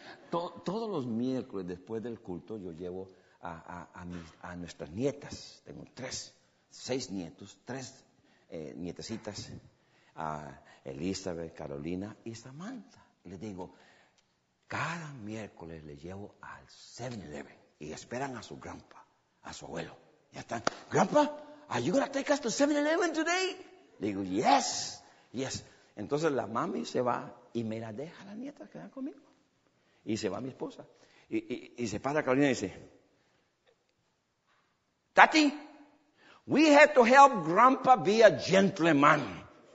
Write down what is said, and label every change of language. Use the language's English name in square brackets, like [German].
[Spanish] Todos los miércoles después del culto yo llevo a nuestras nietas. Tengo seis nietecitas, a Elizabeth, Carolina y Samantha. Les digo, cada miércoles le llevo al 7-Eleven y esperan a su grandpa, a su abuelo. Ya están, [English] grandpa, are you going to take us to 7-Eleven today? [Spanish] Le digo, [English] yes, yes. [Spanish] Entonces la mami se va y me la deja a la nieta que va conmigo. Y se va mi esposa. Y se para Carolina y dice, Tati, [English] we have to help Grandpa be a gentleman.